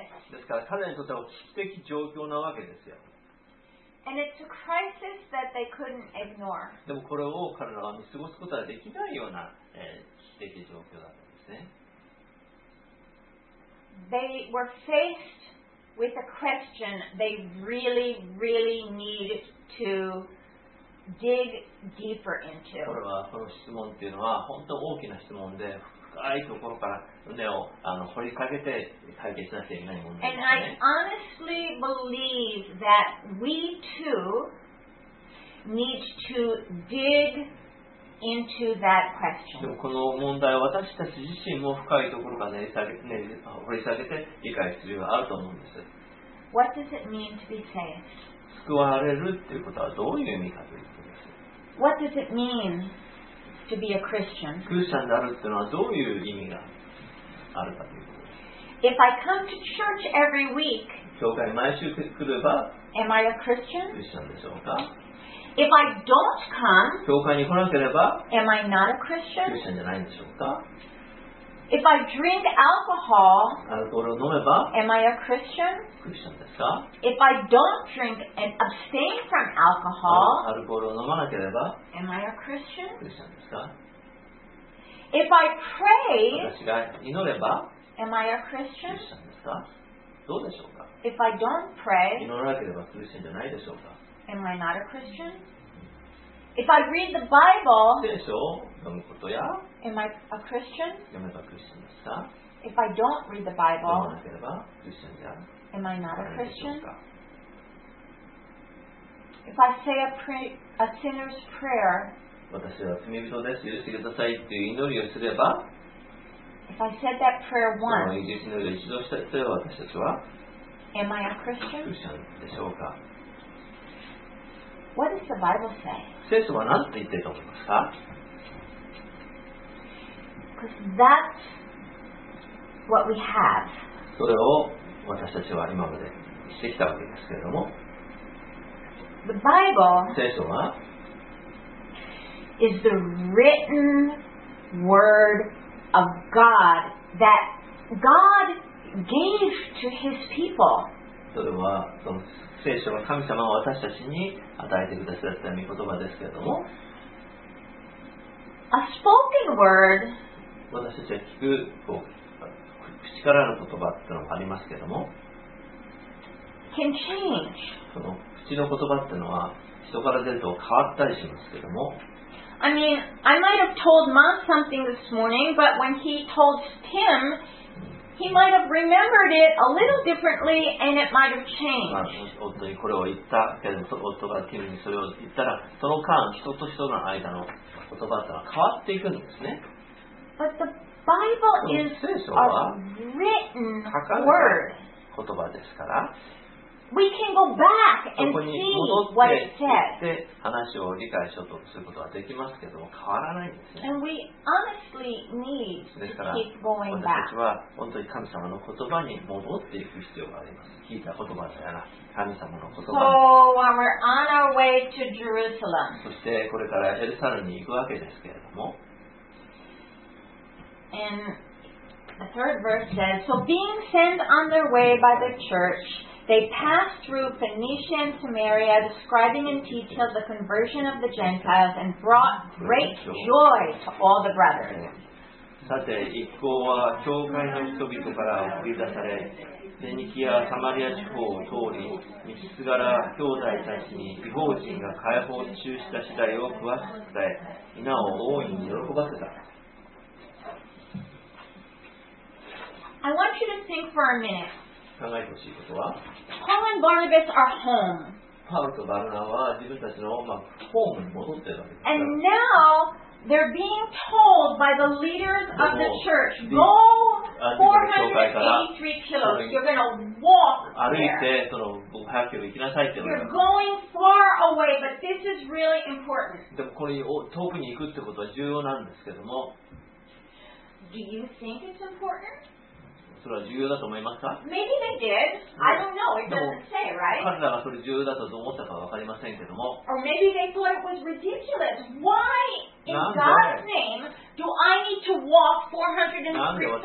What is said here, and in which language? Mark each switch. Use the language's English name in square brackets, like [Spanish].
[Japanese] ですから彼にとっては危機的状況なわけですよ。 [English] And it's a crisis that they couldn't ignore. [Japanese] でもこれを彼らは見過ごすことはできないような、危機的状況だったんですね。 [English] They were faced with a question they really, really needed to dig deeper into. [Japanese] これはこの質問っていうのは本当大きな質問で、深いところから胸を掘りかけて解決しなきゃいけない問題ですね。 [English] And I honestly believe that we too need to dig into that question. [Japanese] でもこの問題は私たち自身も深いところから掘り下げて理解する必要があると思うんです。 [English] What does it mean to be saved? [Japanese] 救われるっていうことはどういう意味かということです。 [English] What does it mean? To be a Christian. [Japanese] クリスチャンであるというのはどういう意味があるかというと。 [English] If I come to church every week, [Japanese] 教会に毎週来れば、 [English] am I a Christian? [Japanese] クリスチャンでしょうか。 [English] If I don't come, [Japanese] 教会に来なければ、 [English] am I not a Christian? [Japanese] クリスチャンじゃないんでしょうか。 [English] If I drink alcohol, [Japanese] アルコールを飲めば、 [English] am I a Christian? [Japanese] クリスチャンですか。 [English] If I don't drink and abstain from alcohol, [Japanese] アルコールを飲まなければ、 [English] am I a Christian? [Japanese] クリスチャンですか。 [English] If I pray, [Japanese] 私が祈れば、 [English] am I a Christian? [Japanese] クリスチャンですか。どうでしょうか。 [English] If I don't pray, [Japanese] 祈らなければクリスチャンじゃないでしょうか。 [English] Am I not a Christian? If I read the Bible, [Japanese] 聖書を読むことや、 [English] Am I a Christian? [Japanese] 読めばクリスチャンですか? [English] If I don't read the Bible, [Japanese] 読まなければクリスチャンである。 [English] Am I not a Christian? If I say a sinner's prayer, [Japanese] 私は罪人です。許してくださいという祈りをすれば、 [English] If I said that prayer once, [Japanese] この祈りを一度したとは私たちは、 [English] Am I a Christian? [Japanese] クリスチャンでしょうか? [English] What does the Bible say? [Japanese] 聖書は何と言っていると思いますか? [English] Because that's what we have. [Japanese] それを私たちは今までしてきたわけですけれども、 [English] The Bible [Japanese] 聖書は [English] is the written word of God that God gave to His people. [Japanese] それはその聖書は神様を私たちに与えてくださった御言葉ですけれども、 [English] A spoken word. [Japanese] 私たちは聞くこう口からの言葉っていうのもありますけども、 [English] can change。 [Japanese] その口の言葉っていうのは人から出ると変わったりしますけども、 [English] I mean, I might have told Mom something this morning, but when he told Tim, he might have remembered it a little differently, and it might have changed。ま [Japanese] あ、夫にこれを言ったけど、夫がTimにそれを言ったら、その間人と人の間の言葉っていうのは変わっていくんですね。 [English] But the Bible is a written word. [Japanese] 言葉ですから。 [English] We can go back and see what it said. [Japanese] 話を理解しようとすることはできますけども、変わらないんですね。 [English] And we honestly need to keep going back. [Japanese] 私たちは本当に神様の言葉に戻っていく必要があります。聞いた言葉だから、神様の言葉。 [English] So we're on our way to Jerusalem. [Japanese] そしてこれからエルサレムに行くわけですけれども、 [English] And the third verse says, So being sent on their way by the church, they passed through Phoenicia and Samaria, describing in detail the conversion of the Gentiles, and brought great joy to all the brothers. [Japanese] さて、一行は教会の人々から送り出され、フェニキア、サマリア地方を通り、道すがら兄弟たちに異邦人が解放に注した次第を詳しく伝え、皆を大いに喜ばせた。 [English] I want you to think for a minute. [Japanese] 考えてほしいことは? [English] Paul and Barnabas are home. [Japanese] パウロとバルナは自分たちの、まあ、ホームに戻っているわけです。 [English] And now they're being told by the leaders of the church, go 483 kilos. You're going to walk there. [Japanese] 歩いてその500キロ行きなさいって言われる。 [English] You're going far away, but this is really important. [Japanese] でもこれ遠くに行くってことは重要なんですけども。 [English] Do you think it's important? [Japanese] それは重要だと思いますか？ [English] Maybe they did. I don't know. It doesn't say, right? [Japanese] 彼らがそれ重要だと思ったかは分かりませんけども。 [English] Or maybe they thought it was ridiculous. Why in God's name do I need to walk 483 kilometers?